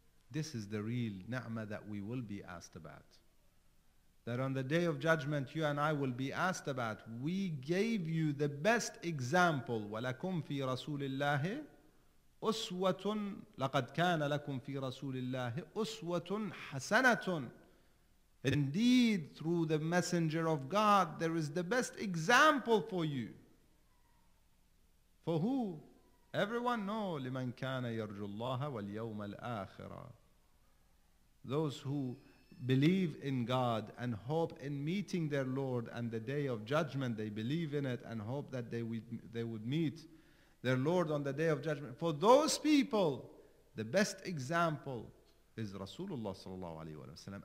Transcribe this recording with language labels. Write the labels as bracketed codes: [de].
[en] This is the real ni'mah that we will be asked about. That on the Day of Judgment, you and I will be asked about, we gave you the best example. [ar] وَلَكُمْ فِي رَسُولِ اللَّهِ أُسْوَةٌ لَقَدْ كَانَ لَكُمْ فِي رَسُولِ اللَّهِ أُسْوَةٌ حَسَنَةٌ. [en] Indeed, through the Messenger of God, there is the best example for you. For who? Everyone know, [ar] لِمَنْ كَانَ يَرْجُ اللَّهَ وَالْيَوْمَ الْآخِرَةِ. [en] Those who believe in God and hope in meeting their Lord and the Day of Judgment, they believe in it and hope that they would meet their Lord on the Day of Judgment. For those people, the best example is Rasulullah sallallahu alaihi wasallam.